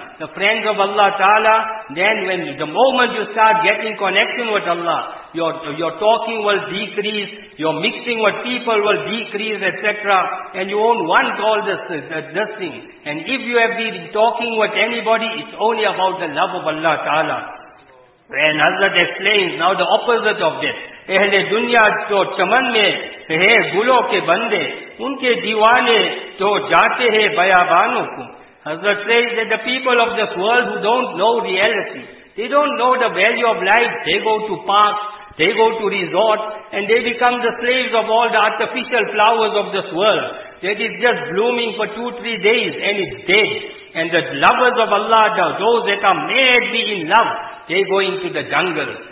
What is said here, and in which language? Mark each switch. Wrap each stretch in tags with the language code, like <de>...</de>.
<en>The friends of Allah Ta'ala, then when the moment you start getting connection with Allah, your talking will decrease, your mixing with people will decrease, etc. And you won't want all this thing. And if you have been talking with anybody, it's only about the love of Allah Ta'ala. And Hazrat explains now the opposite of this.</en> <ur>اہل دنیا تو چمن میں ہے گلوں کے بندے، ان کے دیوانے تو جاتے ہیں بیابانوں کو.</ur> <en>Hazrat says that the people of this world who don't know reality, they don't know the value of life, they go to parks, they go to resorts, and they become the slaves of all the artificial flowers of this world. That is just blooming for 2-3 days and it's dead. And the lovers of Allah, those that are madly in love, they go into the jungle.</en>